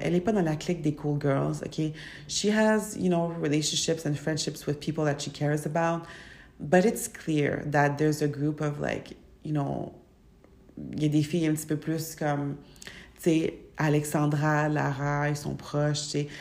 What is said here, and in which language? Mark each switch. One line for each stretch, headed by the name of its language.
French: Elle est pas dans la clique des cool girls, okay?
English: She has, you know, relationships and friendships with people that she cares about. But it's clear that there's a group of, like, you know...
French: Il y a des filles un petit peu plus comme... Tu sais, Alexandra, Lara, ils sont proches, tu sais.